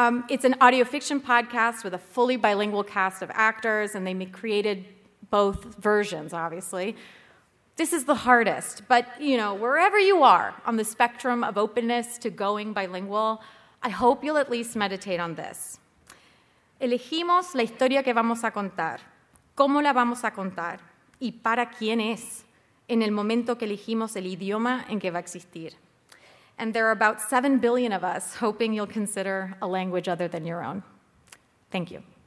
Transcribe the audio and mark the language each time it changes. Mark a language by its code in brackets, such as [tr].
[en] It's an audio fiction podcast with a fully bilingual cast of actors, and they created both versions, obviously. This is the hardest, but, you know, wherever you are on the spectrum of openness to going bilingual, I hope you'll at least meditate on this. [es] Elegimos la historia que vamos a contar, cómo la vamos a contar, y para quién es, en el momento que elegimos el idioma en que va a existir. [en] And there are about 7 billion of us hoping you'll consider a language other than your own. Thank you.